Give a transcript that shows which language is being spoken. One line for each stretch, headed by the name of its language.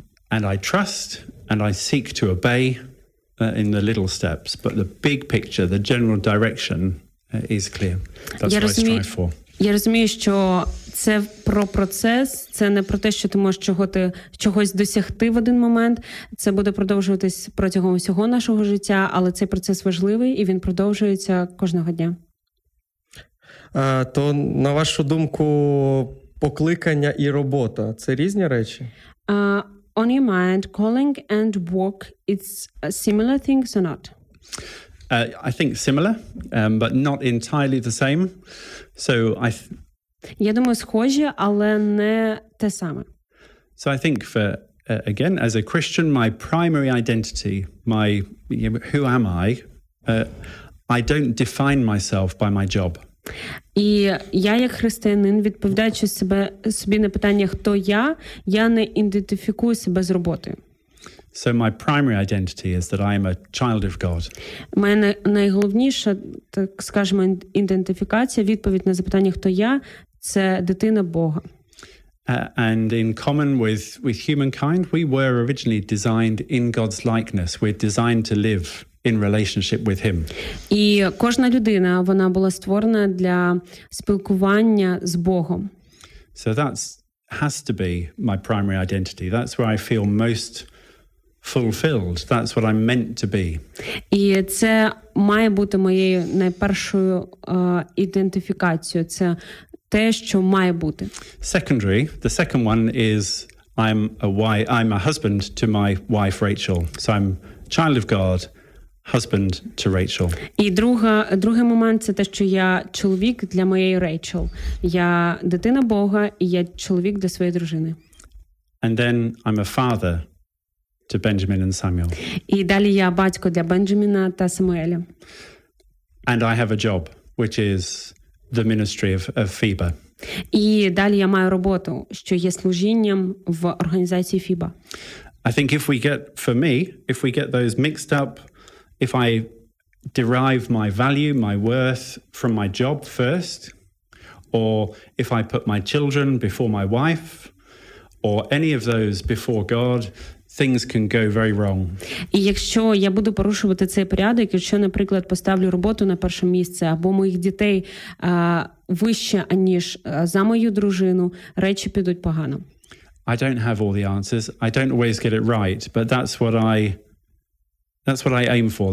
English: And I trust and I seek to obey in the little steps. But the big picture, the general direction is clear. That's what I strive for.
Ukrainian: Я розумію, що це про процес, це не про те, що ти можеш чогось досягти в один момент. Це буде продовжуватись протягом усього нашого життя, але цей процес важливий і він продовжується кожного дня. То, на вашу думку, покликання і робота – це різні речі?
English: On your mind, calling and work, it's similar things or not? I think similar, but not entirely the same. So
Ukrainian: Я думаю, схожі, але не те саме.
English: So I think for, again, as a Christian, my primary identity, who am I, I don't define myself by my job.
Ukrainian: І я як християнин, відповідаючи собі на питання, хто я не ідентифікую себе з роботою.
English: So my primary identity is that I am a child of God.
Ukrainian: Моя найголовніша, так скажемо, ідентифікація, відповідь на запитання, хто я, це дитина Бога.
English: And in common with humankind, we were originally designed in God's likeness. We're designed to live in relationship with him.
Ukrainian: І кожна людина, вона була створена для спілкування з Богом.
English: So that has to be my primary identity. That's where I feel most fulfilled. That's what I'm meant to be.
Ukrainian: І це має бути моєю найпершою ідентифікацією. Це те, що має бути.
English: Secondary, the second one is I'm a husband to my wife Rachel. So I'm child of God, husband to Rachel.
Ukrainian: І другий момент це те, що я чоловік для моєї Рейчел. Я дитина Бога і я чоловік для своєї дружини.
English: And then I'm a father to Benjamin and Samuel.
Ukrainian: І далі я батько для Бенджаміна та Самуеля.
English: And I have a job, which is the ministry of FIBA.
Ukrainian: І далі я маю роботу, що є служінням в організації FIBA.
English: I think if we get those mixed up, if I derive my value, my worth from my job first, or if I put my children before my wife, or any of those before God, things can go very wrong.
Ukrainian: І якщо я буду порушувати цей порядок, якщо, наприклад, поставлю роботу на перше місце або моїх дітей вище, аніж за мою дружину, речі підуть погано.
English: I don't have all the answers. I don't always get it right, but that's what I aim for.